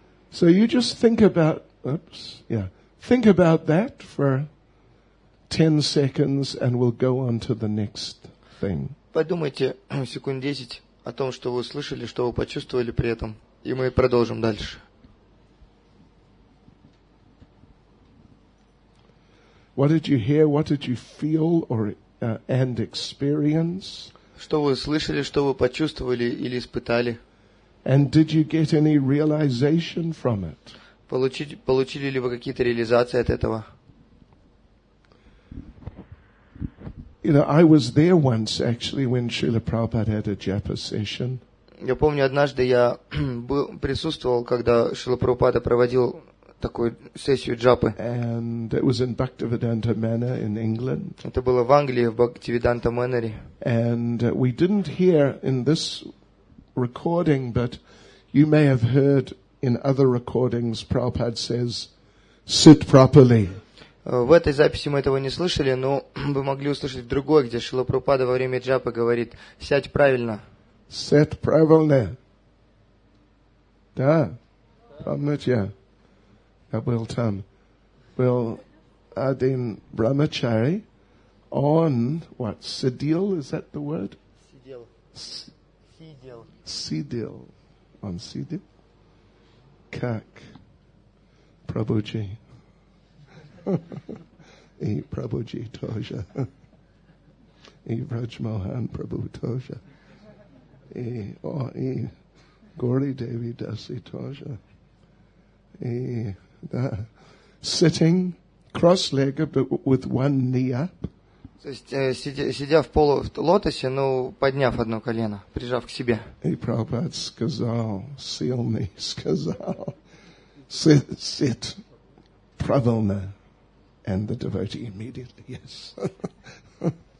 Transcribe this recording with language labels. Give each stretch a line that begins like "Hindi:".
English: So you just think about, think about that for 10 seconds and we'll go on to the next thing.
Russian: Подумайте секунд 10 о том, что вы услышали, что вы почувствовали при этом, и мы продолжим дальше.
English: What did you hear, what did you feel or and experience?
Russian: Что вы слышали, что вы почувствовали или испытали?
English: And did you get any realization from it?
Russian: Получили ли вы какие-то реализации от этого?
English: You know, I was there once actually when Srila Prabhupada had a japa session.
Russian: Я помню, однажды я присутствовал, когда Шрила Прабхупада проводил такую сессию джапы.
English: And it was in Bhaktivedanta Manor in England.
Russian: Это было в Англии, в Бхактивиданта Мэннере.
English: And we didn't hear in this recording, but you may have heard in other recordings, Prabhupada says, sit properly.
Russian: В этой записи мы этого не слышали, но вы могли услышать в другой, где Шрила Прабхупада во время джапы говорит, сядь правильно.
English: Sit
Russian: правильно. Да. Брахмачарья. Я был там. Был один брахмачари. Он,
English: what,
Russian: сидел,
English: is that the word?
Russian: Сидел. Сидел. Он сидел? Как? Прабуджи. И Прабуджи тоже. И Враджмохан Прабу тоже. И Гори Деви Даси тоже. И, да.
English: Sitting cross-legged but with one knee up.
Russian: То есть сидя в лотосе, но подняв одно колено, прижав к себе. И Прабхупада сказал, сильный сказал,
English: sit
Russian: правильно,
English: and the devotee immediately, yes.